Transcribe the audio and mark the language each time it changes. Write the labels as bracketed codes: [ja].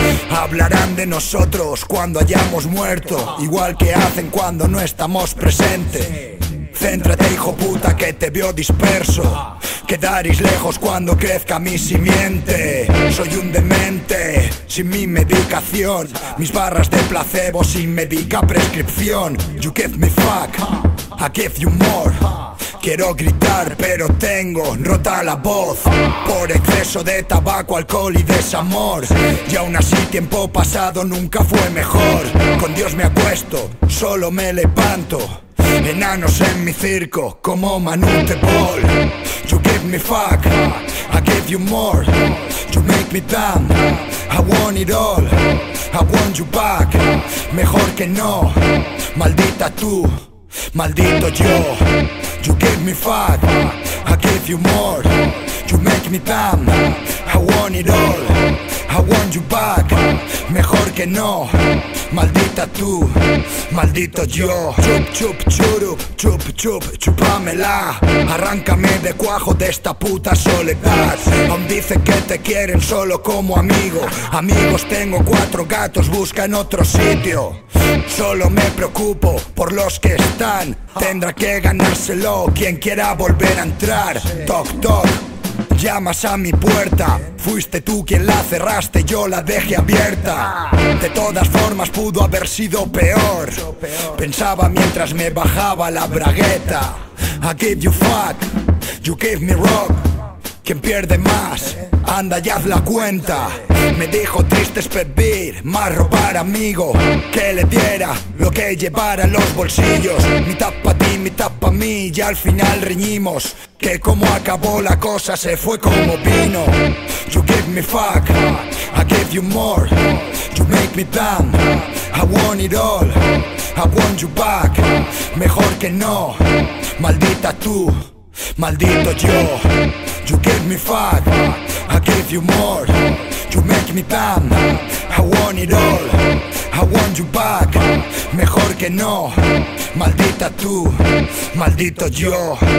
[es] Hablarán de nosotros cuando hayamos muerto, igual que hacen cuando no estamos presentes. Céntrate, hijo puta, que te veo disperso. Quedaréis lejos cuando crezca mi simiente. Soy un demente, sin mi medicación. Mis barras de placebo sin médica prescripción. [en] You give me fuck, I give you more. [es] Quiero gritar, pero tengo rota la voz. Por exceso de tabaco, alcohol y desamor. Y aún así, tiempo pasado nunca fue mejor. Con Dios me acuesto, solo me levanto. Enanos en mi circo, como Manu de Paul. [en] You give me fuck, I give you more. You make me dumb, I want it all. I want you back, [es] mejor que no. Maldita tú, maldito yo. [en] You give me fuck, I give you more. You make me dumb, I want it all. I want you back, [es] mejor que no. Maldita tú, maldito yo. Chup chup churup, chup chup chupamela. Arráncame de cuajo de esta puta soledad. Aún dicen que te quieren solo como amigo. Amigos tengo cuatro gatos, busca en otro sitio. Solo me preocupo por los que están. Tendrá que ganárselo quien quiera volver a entrar. Toc toc, llamas a mi puerta. Fuiste tú quien la cerraste, yo la dejé abierta. De todas formas pudo haber sido peor. Pensaba mientras me bajaba la bragueta. [en] I give you fuck, you give me rock. [es] ¿Quién pierde más? Anda y haz la cuenta. Me dijo triste es pedir, más robar amigo. Que le diera lo que llevara en los bolsillos. Mitad pa' ti, mitad pa' mí y al final reñimos. Que como acabó la cosa se fue como vino. [en] You give me fuck, I give you more. You make me dumb, I want it all. I want you back, [es] mejor que no. Maldita tú, maldito yo. [en] You give me fuck, I give you more. You make me dumb, I want it all. I want you back, [es] mejor que no. Maldita tú, maldito yo.